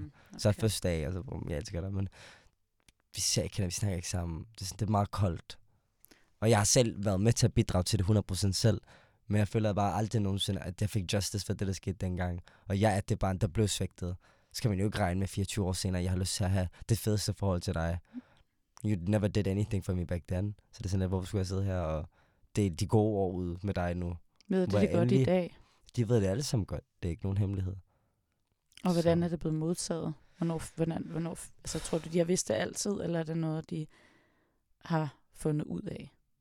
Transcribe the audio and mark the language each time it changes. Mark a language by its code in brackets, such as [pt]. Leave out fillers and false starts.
[da] Okay. Så er det første dag, og så, jeg elsker dig, men vi snakker ikke sammen. Det er, sådan, det er meget koldt. Og jeg har selv været med til at bidrage til det 100% selv, men jeg føler bare aldrig nogensinde, at jeg fik justice for det, der skete dengang. Og jeg er det barn, der blev svigtet. Så kan man jo ikke regne med 24 år senere, jeg har lyst til at have det fedeste forhold til dig. [en] You never did anything for me back then. [da] Så det er sådan lidt, hvorfor skulle jeg sidde her og dele de gode år ud med dig nu? Ved du det godt i dag? De ved det alle sammen godt. Det er ikke nogen hemmelighed. Og hvordan er det blevet modtaget? Hvornår, altså, tror du, de har vidst det altid, eller er det noget, de har fundet ud af?